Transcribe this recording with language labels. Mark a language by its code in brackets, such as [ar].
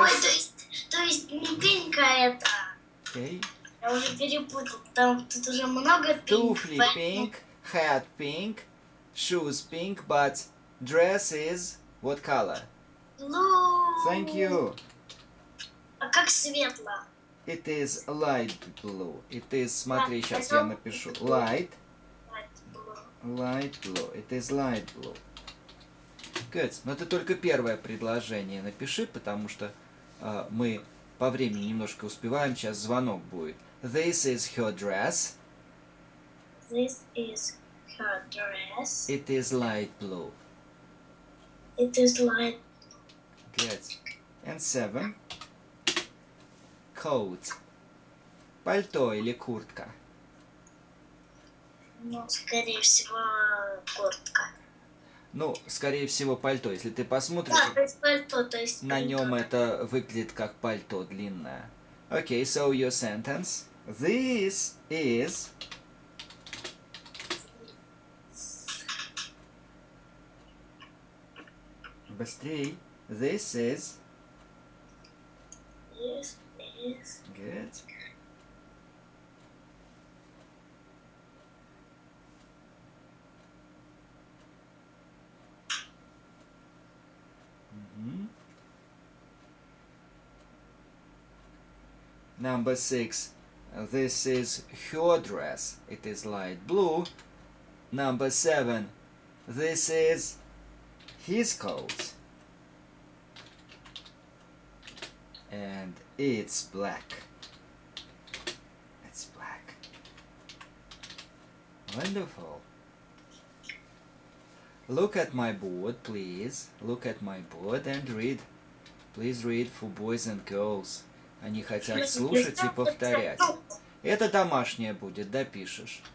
[ru] Ой, то есть не pink, а это. [en] Okay. [ru] Я уже перепутал, там тут уже много pink. [en] Туфли pink, hat pink, shoes pink, but dress is what color? Blue. Thank you. [ru] А как светло? [en] It is light blue. It is, [ru] смотри, сейчас я напишу. [en] Light. Light blue. Light blue. It is light blue. Good. [ru] Но это только первое предложение напиши, потому что мы по времени немножко успеваем. Сейчас звонок будет. [en] This is her dress. This is her dress. It is light blue. It is light blue. Good. And seven. Coat. [ru] Пальто или куртка? Ну, скорее всего, куртка. Ну, скорее всего, пальто. Если ты посмотришь, да, то есть пальто, то есть на пальто. Нем это выглядит как пальто длинное. [en] Окей, so your sentence. This is... Быстрей. This is... This... Good. Number six. This is her dress. It is light blue. Number seven. This is his coat. And it's black. It's black. Wonderful. Look at my board, please. Look at my board and read. Please read for boys and girls. [ru] Они хотят слушать и повторять. Это домашнее будет, допишешь.